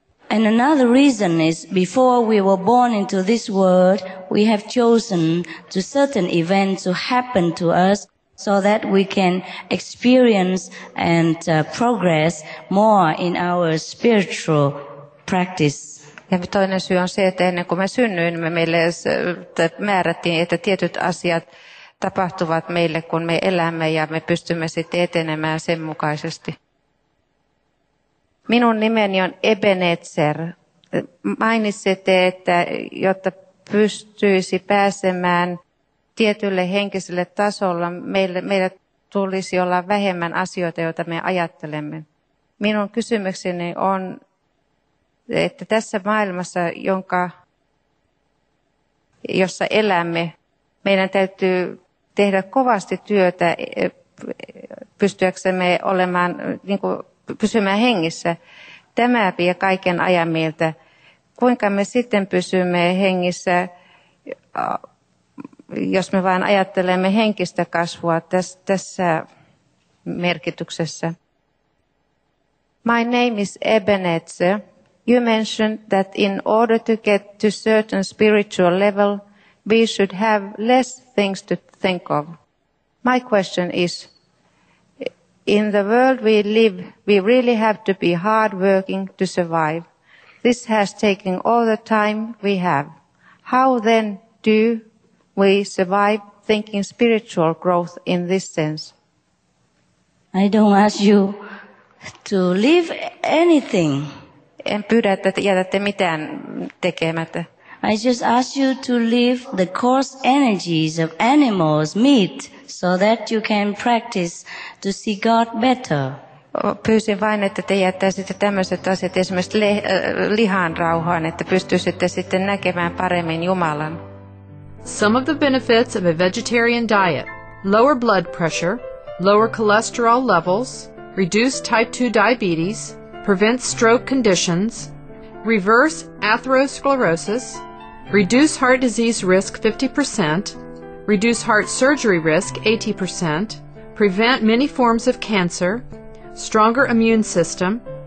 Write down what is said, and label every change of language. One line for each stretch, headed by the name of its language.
English: And another reason is, before we were born into this world, we have chosen to certain events to happen to us, so that we can experience and progress more in our spiritual practice.
Finnish: Ja toinen syy on se, että ennen kuin me synnyimme, meille määrättiin, että tietyt asiat tapahtuvat meille, kun me elämme ja me pystymme sitten etenemään sen mukaisesti. Minun nimeni on Ebenezer. Mainitsitte, että jotta pystyisi pääsemään tietylle henkiselle tasolle, meillä tulisi olla vähemmän asioita, joita me ajattelemme. Minun kysymykseni on, että tässä maailmassa, jossa elämme, meidän täytyy tehdä kovasti työtä pystyäksemme olemaan pysymään hengissä. Tämä vie kaiken ajan mieltä. Kuinka me sitten pysymme hengissä, jos me vain ajattelemme henkistä kasvua tässä merkityksessä?
English: My name is Ebenezer. You mentioned that in order to get to certain spiritual level, we should have less things to think of. My question is, in the world we live, we really have to be hardworking to survive. This has taken all the time we have. How then do we survive thinking spiritual growth in this sense? I don't ask you to leave anything.
Finnish: En pyydä, että jätätte mitään tekemättä.
English: I just ask you to leave the coarse energies of animals, meat, so that you can practice to see God better.
Finnish: Pyysin vain, että te jättäisitte tämmöiset asiat esimerkiksi lihan rauhaan, että pystyisitte sitten näkemään paremmin Jumalan.
English: Some of the benefits of a vegetarian diet: lower blood pressure, lower cholesterol levels, reduce type 2 diabetes, prevent stroke conditions, reverse atherosclerosis, reduce heart disease risk 50%, reduce heart surgery risk 80%, prevent many forms of cancer, stronger immune system,